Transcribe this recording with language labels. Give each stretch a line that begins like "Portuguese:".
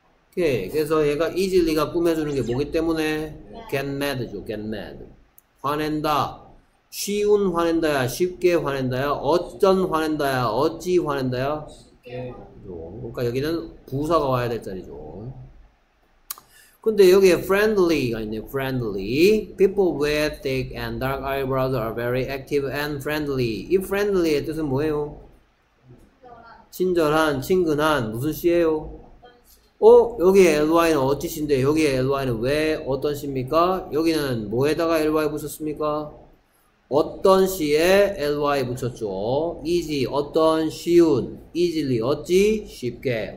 Korean: 오케이. 그래서 얘가 easily가 꾸며주는 게 뭐기 때문에 get mad죠. get mad 화낸다. 쉬운 화낸다야, 쉽게 화낸다야, 어쩐 화낸다야, 어찌 화낸다야. 그러니까 여기는 부사가 와야 될 자리죠. 근데 여기에 friendly가 있네요. friendly.
English: People with thick and dark eyebrows are very active and friendly.
Korean: 이 friendly의 뜻은 뭐예요? 친절한, 친근한, 무슨 씨예요? 어? 여기에 ly는 어찌신데, 여기에 ly는 왜, 어떤 씨입니까? 여기는 뭐에다가 ly 붙였습니까? 어떤 시에 ly 붙였죠? easy, 어떤 쉬운, easily, 어찌 쉽게.